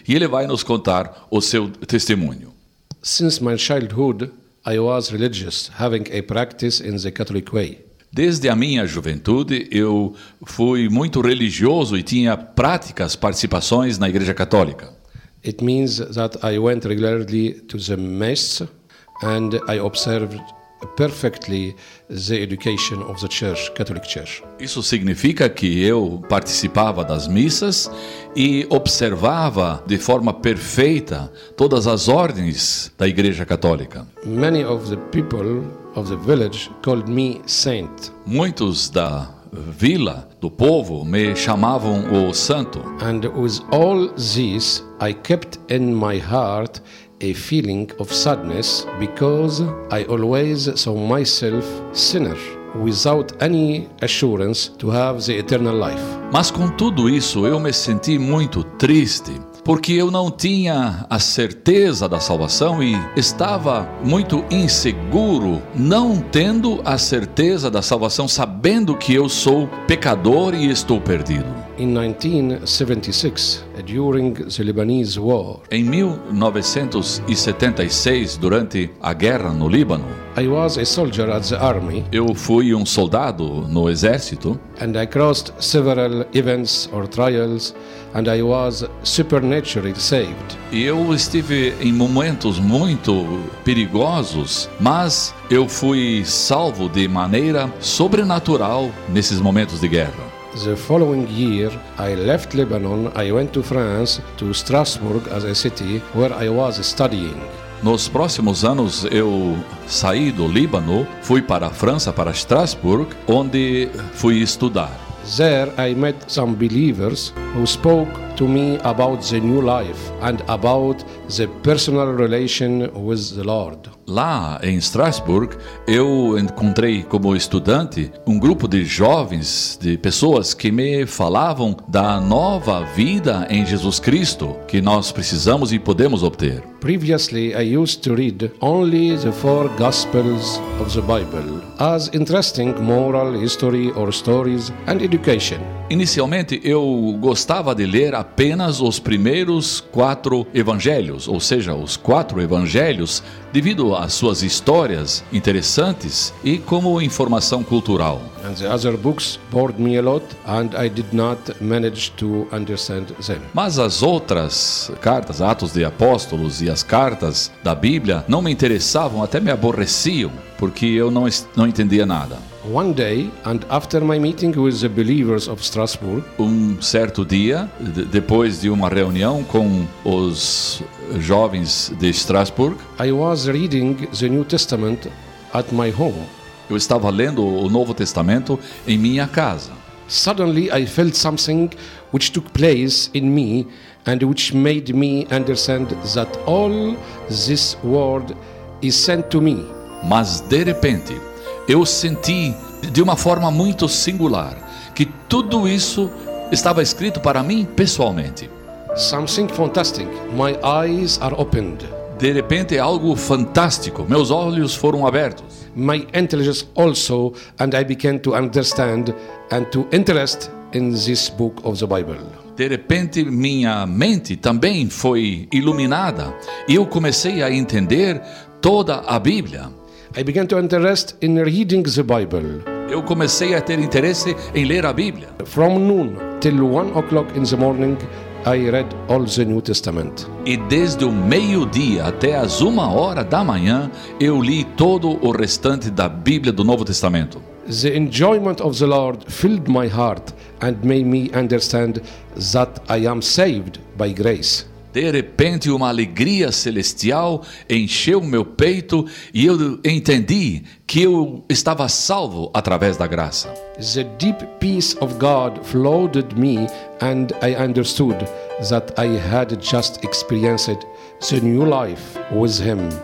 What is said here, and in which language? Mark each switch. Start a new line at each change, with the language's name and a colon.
Portuguese: E ele vai nos contar o seu testemunho.
English: Since my childhood, I was religious, having a practice in the Catholic way.
Portuguese: Desde a minha juventude, eu fui muito religioso e tinha práticas, participações na Igreja Católica.
English: It means that I went regularly to the mass and I observed perfectly the education of the Church, Catholic Church.
Portuguese: Isso significa que eu participava das missas e observava de forma perfeita todas as ordens da Igreja Católica.
English: Many of the people of the village called me saint.
Portuguese: Muitos da vila, do povo, me chamavam o santo.
English: And with all this, I kept in my heart a feeling of sadness because I always saw myself sinner without any assurance to have the eternal life.
Portuguese: Mas com tudo isso, eu me senti muito triste, porque eu não tinha a certeza da salvação e estava muito inseguro, não tendo a certeza da salvação, sabendo que eu sou pecador e estou perdido.
English: In 1976, during the Lebanese War,
Portuguese: em 1976, durante a guerra no Líbano,
English: I was a soldier at the army,
Portuguese: eu fui um soldado no exército,
English: and I crossed several events or trials, and I was supernaturally saved.
Portuguese: E eu estive em momentos muito perigosos, mas eu fui salvo de maneira sobrenatural nesses momentos de guerra.
English: The following year, I left Lebanon. I went to France, to Strasbourg, as a city where I was studying.
Portuguese: Nos próximos anos, eu saí do Líbano, fui para a França, para Strasbourg, onde fui estudar.
English: There, I met some believers who spoke to me about the new life and about the personal relation with the Lord.
Portuguese: Lá em Strasbourg, eu encontrei como estudante um grupo de jovens, de pessoas que me falavam da nova vida em Jesus Cristo que nós precisamos e podemos obter.
English: Previously, I used to read only the four Gospels of the Bible as interesting moral history or stories and education.
Portuguese: Inicialmente, eu gostava de ler apenas os primeiros quatro evangelhos, ou seja, os quatro evangelhos, devido às suas histórias interessantes e como informação cultural.
English: And the other books bored me a lot and I did not manage to understand them.
Portuguese: Mas as outras cartas, Atos de Apóstolos e as cartas da Bíblia, não me interessavam, até me aborreciam, porque eu não entendia nada.
English: One day, and after my meeting with the believers of Strasbourg,
Portuguese: um certo dia, depois de uma reunião com os jovens de Strasbourg,
English: I was reading the New Testament at my home.
Portuguese: Eu estava lendo o Novo Testamento em minha casa.
English: Suddenly, I felt something which took place in me and which made me understand that all this word is sent to me.
Portuguese: Mas de repente, eu senti de uma forma muito singular que tudo isso estava escrito para mim pessoalmente.
English: Something fantastic. My eyes are opened.
Portuguese: De repente, algo fantástico. Meus olhos foram abertos.
English: My intelligence also, and I began to understand and to interest in this book of the Bible.
Portuguese: De repente, minha mente também foi iluminada e eu comecei a entender toda a Bíblia.
English: I began to interest in reading the Bible.
Portuguese: Eu comecei a ter interesse em ler a Bíblia.
English: From noon till 1 o'clock in the morning, I read all the New Testament.
Portuguese: E desde o meio-dia até as 1 hora da manhã, eu li todo o restante da Bíblia do Novo Testamento.
English: The enjoyment of the Lord filled my heart and made me understand that I am saved by grace.
Portuguese: De repente, uma alegria celestial encheu meu peito e eu entendi que eu estava salvo através da graça.
English: The deep peace of God flooded me and I understood that I had just experienced the new life with him.